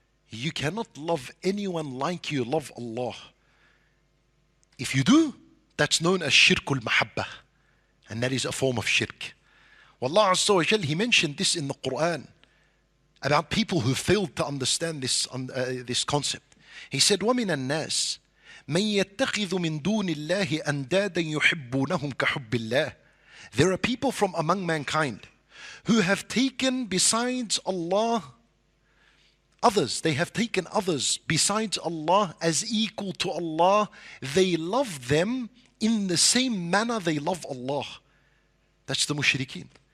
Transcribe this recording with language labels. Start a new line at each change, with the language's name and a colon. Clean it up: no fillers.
English: You cannot love anyone like you love Allah. If you do, That's known as shirk al-mahabba. And that is a form of shirk. Wallah Azza wa Jal, he mentioned this in the Quran about people who failed to understand this this concept. He said,
Arabic: وَمِنَ النَّاسِ مَنْ يَتَّخِذُ مِنْ دُونِ اللَّهِ أَنْدَادًا يُحِبُّونَهُمْ كَحُبِّ اللَّهِ.
English: There are people from among mankind who have taken besides Allah others. They have taken others besides Allah as equal to Allah. They love them in the same manner they love Allah. That's the mushrikeen.